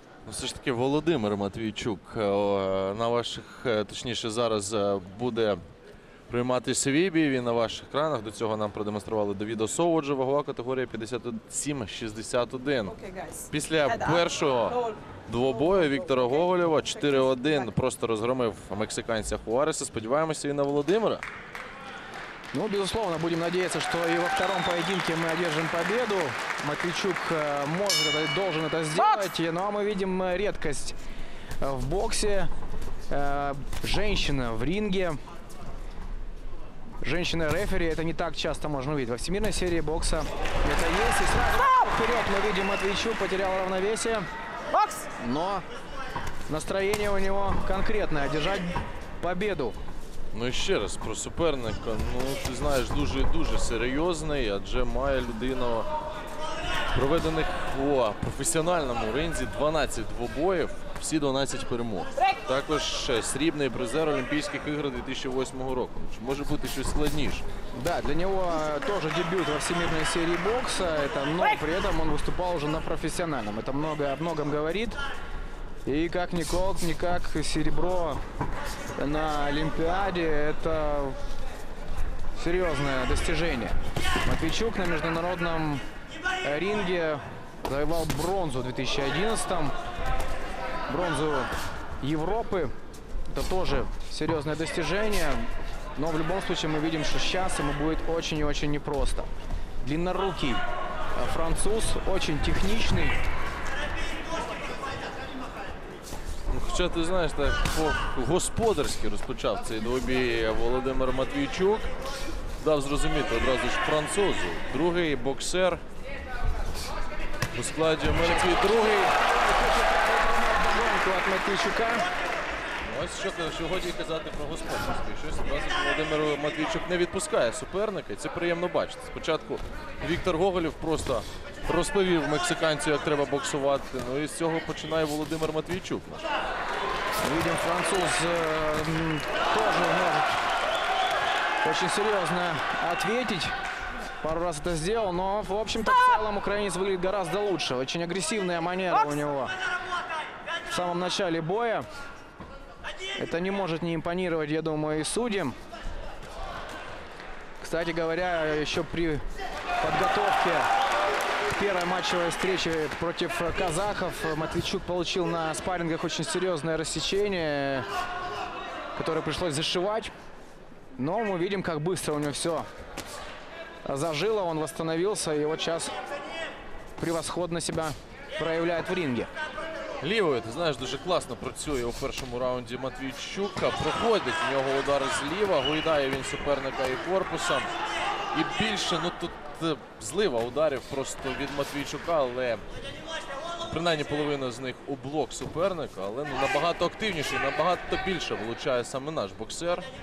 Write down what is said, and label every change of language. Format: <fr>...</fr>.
<uk>Все ж таки Володимир Матвійчук на ваших, точніше, зараз буде приймати свій бій. Він на ваших кранах. До цього нам продемонстрували Даouda SOW, отже, вагова категорія 57-61. Після першого двобою Віктора Гоголєва 4-1 просто розгромив мексиканця Хуареса. Сподіваємося і на Володимира.</uk> <ru>Ну, безусловно, будем надеяться, что и во втором поединке мы одержим победу. Матвійчук может это, должен это сделать. Ну, а мы видим редкость в боксе. Женщина в ринге. Женщина-рефери. Это не так часто можно увидеть во всемирной серии бокса. Это есть. И сразу вперед мы видим Матвійчук. Потерял равновесие. Бокс! Но настроение у него конкретное. Одержать победу.</ru> <uk>Ну і ще раз про суперника. Ну, ти знаєш, дуже-дуже серйозний, адже має людина проведених у професіональному ринзі 12 двобоїв, всі 12 перемог. Також срібний призер Олімпійських ігор 2008 року. Може бути щось складніше. Да, для нього теж дебют во всемирній серії бокса, але при цьому він виступав вже на професіональному. Це багато говорить.</uk> <ru>И как-никак, серебро на Олимпиаде, это серьезное достижение. Матвейчук на международном ринге завоевал бронзу в 2011-м. Бронзу Европы. Это тоже серьезное достижение. Но в любом случае мы видим, что сейчас ему будет очень и очень непросто. Длиннорукий француз, очень техничный.</ru> <uk>Хоча ти знаєш, так по-господарськи розпочав цей двобій Володимир Матвійчук. Дав зрозуміти одразу ж французу. Другий боксер у складі Матвій. Другий. Ось що сьогодні казати про господарський. Щось одразу ж Володимир Матвійчук не відпускає суперника. І це приємно бачити. Спочатку Віктор Гоголєв просто розповів мексиканцю, як треба боксувати. Ну і з цього починає Володимир Матвійчук.</uk> <ru>Видим, француз тоже может очень серьезно ответить. Пару раз это сделал, но, в общем-то, в целом украинец выглядит гораздо лучше. Очень агрессивная манера у него в самом начале боя. Это не может не импонировать, я думаю, и судьям. Кстати говоря, еще при подготовке первая матчевая встреча против казахов. Матвейчук получил на спаррингах очень серьезное рассечение, которое пришлось зашивать. Но мы видим, как быстро у него все зажило. Он восстановился, и вот сейчас превосходно себя проявляет в ринге.</ru> <uk>Лівою, ти знаєш, дуже класно працює у першому раунді Матвійчук. Проходить у нього удари зліва, гойдає він суперника і корпусом. І більше, ну тут злива ударів просто від Матвійчука, але принаймні половина з них у блок суперника, але ну, набагато активніше, набагато більше влучає саме наш боксер.</uk>